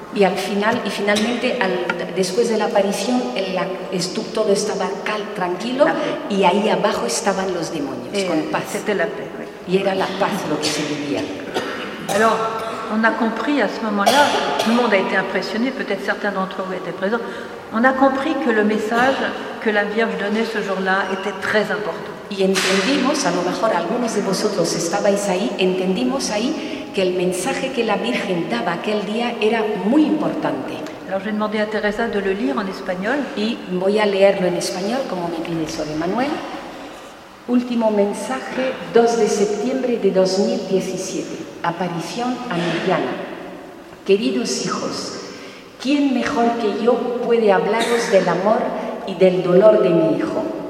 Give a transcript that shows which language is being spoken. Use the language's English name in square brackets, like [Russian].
[Spanish] Y al final, y finalmente, después de la aparición, todo estaba tranquilo y ahí abajo estaban los demonios, et con paz. [French] C'était la paix, oui. [Spanish] Y era la paz lo que se vivía. [French] Alors, on a compris à ce moment-là, tout le monde a été impressionné, peut-être certains d'entre vous étaient présents, on a compris que le message que la Vierge donnait ce jour-là était très important. [Spanish] Y entendimos, a lo mejor algunos de vosotros estabais ahí, entendimos ahí que el mensaje que la Virgen daba aquel día era muy importante. [French] Alors, j'ai demandé a Teresa de le lire [Spanish] en español. Y voy a leerlo en español, como me pide sobre Manuel. Último mensaje, 2 de septiembre de 2017. Aparición a Mariana. Queridos hijos, ¿quién mejor que yo puede hablaros del amor y del dolor de mi hijo?